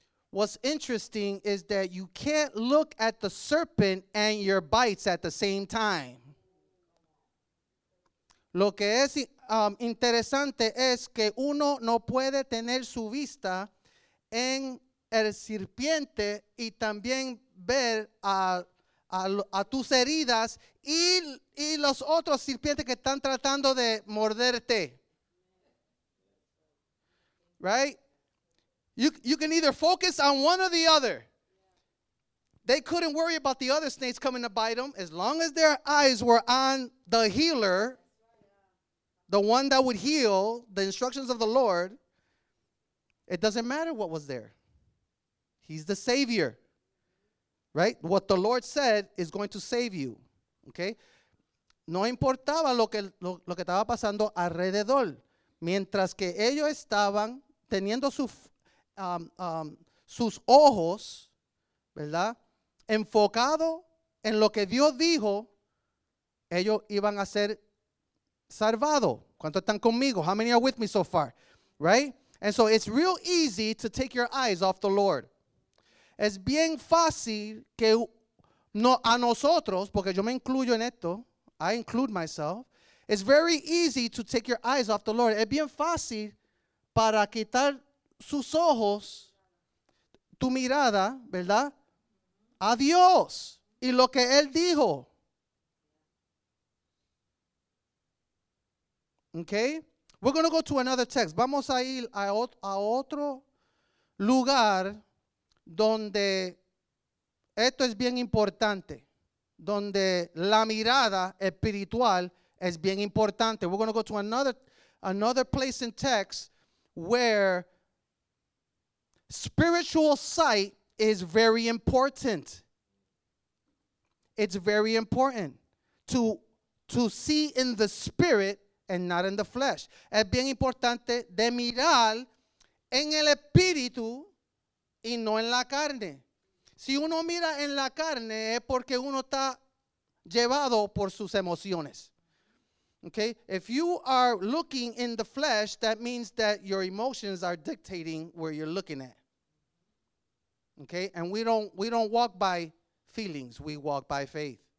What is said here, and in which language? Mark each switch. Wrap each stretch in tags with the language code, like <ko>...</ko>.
<en>What's interesting is that you can't look at the serpent and your bites at the same time.</en> <es>Lo que es interesante es que uno no puede tener su vista en el serpiente y también ver a tus heridas y los otros serpientes que están tratando de morderte.</es> <en>Right? You can either focus on one or the other. They couldn't worry about the other snakes coming to bite them as long as their eyes were on the healer, the one that would heal, the instructions of the Lord. It doesn't matter what was there. He's the Savior. Right? What the Lord said is going to save you.</en> <es>Okay? No importaba lo que estaba pasando alrededor. Mientras que ellos estaban teniendo sus ojos, ¿verdad? Enfocado en lo que Dios dijo, ellos iban a ser salvados. ¿Cuántos están conmigo?</es> <en>How many are with me so far? Right? And so it's real easy to take your eyes off the Lord.</en> <es>Es bien fácil que no, a nosotros, porque yo me incluyo en esto,</es> <en>I include myself, it's very easy to take your eyes off the Lord.</en> <es>Es bien fácil para quitar sus ojos, tu mirada, ¿verdad? A Dios y lo que Él dijo. Okay?</es> <en>We're going to go to another text.</en> <es>Vamos a ir a otro lugar donde esto es bien importante. Donde la mirada espiritual es bien importante.</es> <en>We're going to go to another place in text where spiritual sight is very important. It's very important to see in the spirit and not in the flesh.</en> <es>Es bien importante de mirar en el espíritu y no en la carne. Si uno mira en la carne es porque uno está llevado por sus emociones.</es> <en>Okay? If you are looking in the flesh, that means that your emotions are dictating where you're looking at. Okay? And we don't walk by feelings, we walk by faith.</en>